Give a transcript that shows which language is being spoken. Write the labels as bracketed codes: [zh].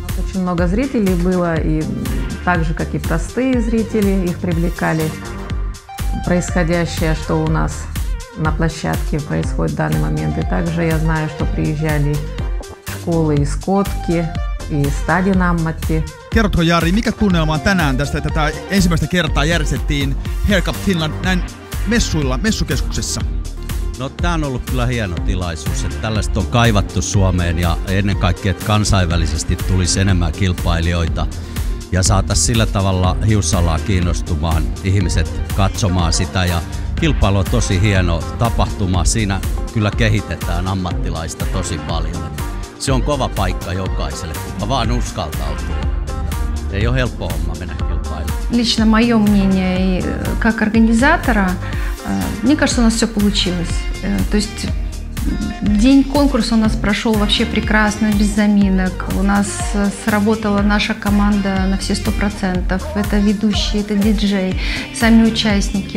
[ru] Очень много зрителей было, и так же, как и простые зрители, их привлекали происходящее, что у нас на площадке происходит в данный момент. И также я знаю, что приезжали школы из Котки, и стадион Аммати. [fi] Kerrotko Jari, mikä tunnelma on tänään tästä, että tämä ensimmäistä kertaa järjestettiin Hair Cup Finland näin messuilla, messukeskuksessa? No, tämä on ollut kyllä hieno tilaisuus, että tällaista on kaivattu Suomeen ja ennen kaikkea, että kansainvälisesti tulisi enemmän kilpailijoita ja saataisiin sillä tavalla hiussalaa kiinnostumaan ihmiset katsomaan sitä. Ja kilpailu on tosi hieno tapahtuma, siinä kyllä kehitetään ammattilaista tosi paljon. Se on kova paikka jokaiselle, kuka vaan uskaltautuu. Ei ole helppo homma mennä kilpailemaan. [ru] Лично мое мнение, как организатора, мне кажется, у нас все получилось. То есть день конкурса у нас прошел вообще прекрасно, без заминок. У нас сработала наша команда на все 100%. Это ведущий, это диджей, сами участники.